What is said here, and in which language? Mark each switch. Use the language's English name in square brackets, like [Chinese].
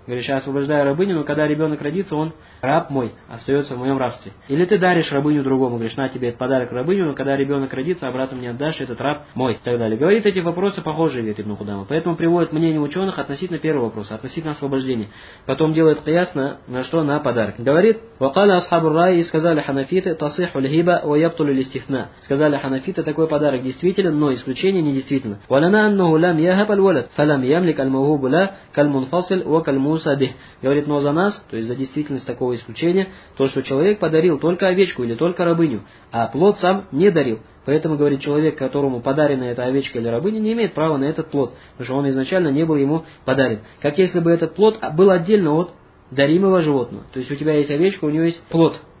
[Russian] Говоришь, я освобождаю рабыню, но когда ребенок родится, он раб мой, остается в моем рабстве. Или ты даришь рабыню другому, говоришь, на тебе этот подарок рабыню, но когда ребенок родится, обратно мне отдашь, этот раб мой, и так далее. Говорит, эти вопросы похожие, говорит ибн Кудама. Поэтому приводит мнение ученых относительно первого вопроса, относительно освобождения. Потом делает кияс на что? На подарок. [Arabic] Говорит, وقال أصحاب الرأي [Russian] и сказали ханафиты, [Arabic] تصح الهبة ويبطل الاستثناء. [Russian] Сказали ханафиты, такой подарок действителен, но исключение недействительно. [Arabic] ولنا أنه لم يهب الولد فلم يملك الموهوب له كالمنفصل وكالموسى به. [Russian] Говорит, но за нас, то есть за действительность такого исключения, то, что человек подарил только овечку или только рабыню, а плод сам не дарил. Поэтому, говорит, человек, которому подарена эта овечка или рабыня, не имеет права на этот плод, потому что он изначально не был ему подарен. Как если бы этот плод был отдельно от даримого животного. То есть у тебя есть овечка, у него есть плод.